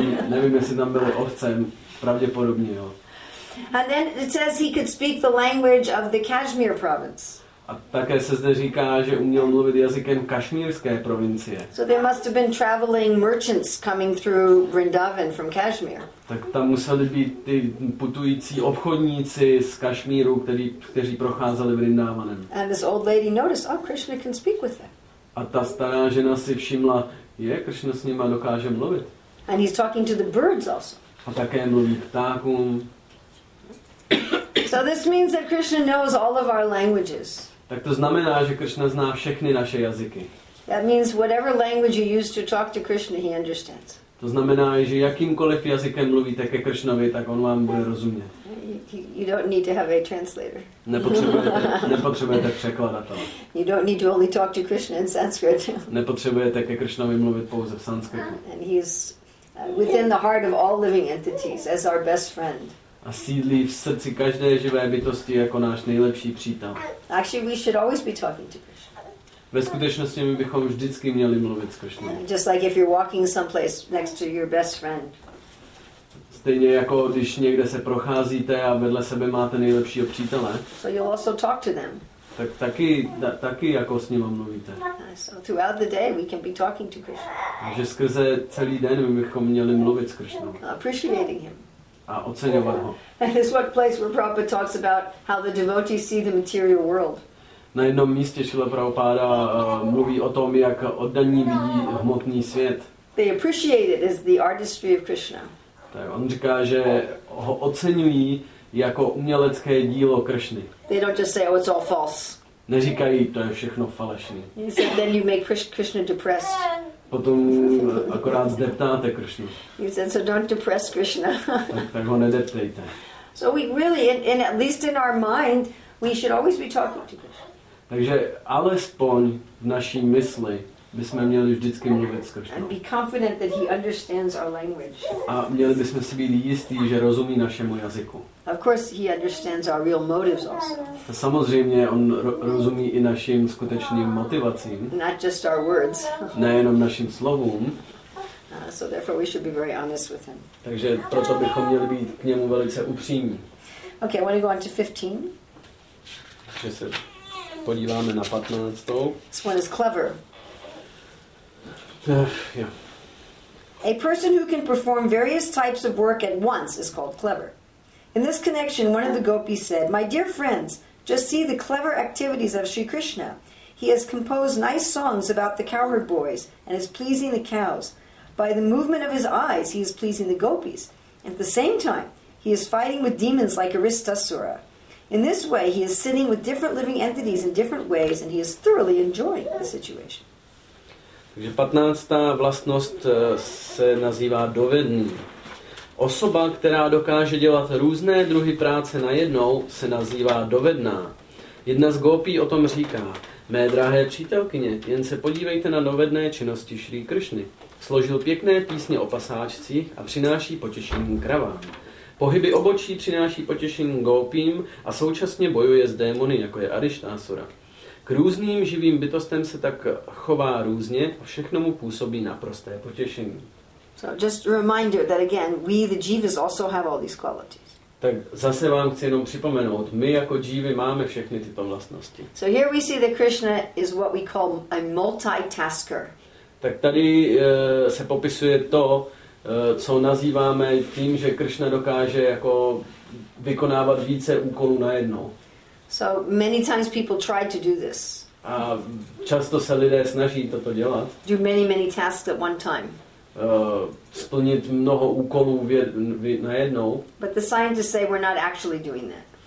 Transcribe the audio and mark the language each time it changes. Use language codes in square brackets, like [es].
[cs] nevím, jestli tam byly ovce, pravděpodobně jo. [en] And then it says he could speak the language of the Kashmir province. [cs] A také se zde říká, že uměl mluvit jazykem kašmírské provincie. [en] So there must have been traveling merchants coming through Vrindavan from Kashmir. [cs] Tak tam museli být ty putující obchodníci z Kašmíru, kteří procházeli Vrindavanem. [en] And this old lady noticed, oh, Krishna can speak with them. [cs] A ta stará žena si všimla, je, Krishna s nima dokáže mluvit. [en] And he's talking to the birds also. [cs] A také mluví ptákům. [en] So this means that Krishna knows all of our languages. [cs] Tak to znamená, že Krishna zná všechny naše jazyky. [en] That means whatever language you use to talk to Krishna, he understands. [cs] To znamená, že jakýmkoliv jazykem mluvíte ke Krishnovi, tak on vám bude rozumět. [en] You don't need to have a translator. [cs] Nepotřebujete překladatele. [en] You don't need to only talk to Krishna in Sanskrit. [cs] Nepotřebujete ke Krishnovi mluvit pouze v sanskritu. [en] And he is within the heart of all living entities as our best friend. [cs] A sídlí v srdci každé živé bytosti jako náš nejlepší přítel. [en] Actually, we should always be talking to Krishna. [cs] Ve skutečnosti my bychom vždycky měli mluvit s Krishnou. [en] Just like if you're walking someplace next to your best friend. [cs] Stejně jako když někde se procházíte a vedle sebe máte nejlepšího přítele. [en] So you'll also talk to them. [cs] Tak taky jako s ním mluvíte. [en] So throughout the day we can be talking to Krishna. [cs] Takže skrze celý den my bychom měli mluvit s Krishnou. [en] Appreciating him. [cs] A oceňovat ho. [en] And this one place where Prabhupada talks about how the devotees see the material world. [cs] Na jednom místě Srila Prabhupada mluví o tom, jak oddaní vidí hmotný svět. [en] They appreciate it as the artistry of Krishna. [cs] Tak on říká, že ho oceňují jako umělecké dílo Krishny. [en] They don't just say, oh, it's all false. [cs] Neříkají, to je všechno falešné. [en] Then you make Krishna depressed. [cs] Potom akorát zdeptáte Krishnu. [en] You said, so don't depress Krishna. [cs] Tak ho nedeptejte. [en] So we really, in at least in our mind, we should always be talking to Krishna. [cs] Takže alespoň v naší mysli bychom měli vždycky mluvit s Krishnou. [en] And be confident that he understands our language. [cs] A měli bychom si být jistí, že rozumí našemu jazyku. [en] Of course he understands our real motives also. [cs] A samozřejmě on rozumí i našim skutečným motivacím. [en] Not just our words. [cs] Nejenom našim slovům. [en] So therefore we should be very honest with him. [cs] Takže proto bychom měli být k němu velice upřímní. [en] Okay, I want to go on to 15. [cs] Takže se podíváme na 15. [en] This one is clever. Yeah. A person who can perform various types of work at once is called clever. In this connection, one of the gopis said, "My dear friends, just see the clever activities of Sri Krishna. He has composed nice songs about the cowherd boys and is pleasing the cows. By the movement of his eyes, he is pleasing the gopis. At the same time, he is fighting with demons like Aristasura. In this way, he is sitting with different living entities in different ways, and he is thoroughly enjoying the situation." [cs] Takže 15. vlastnost se nazývá dovedný. Osoba, která dokáže dělat různé druhy práce najednou, se nazývá dovedná. Jedna z gopí o tom říká: "Mé drahé přítelkyně, jen se podívejte na dovedné činnosti Šrí Kršny. Složil pěkné písně o pasáčcích a přináší potěšení kravám. Pohyby obočí přináší potěšení gopím a současně bojuje s démony, jako je Arištásura. K různým živým bytostem se tak chová různě a všechno mu působí naprosté potěšení." [en] So just a reminder that again, we the jivas also have all these qualities. [cs] Tak zase vám chci jenom připomenout, my jako jivy máme všechny tyto vlastnosti. [en] So here we see that Krishna is what we call a multitasker. [cs] Tak tady se popisuje to, co nazýváme tím, že Krishna dokáže jako vykonávat více úkolů najednou. [en] So many times people try to do this. [cs] A často se lidé snaží toto dělat. [en] Do many, many tasks at one time. [cs] Splnit mnoho úkolů najednou. [en] But the scientists say we're not actually doing that.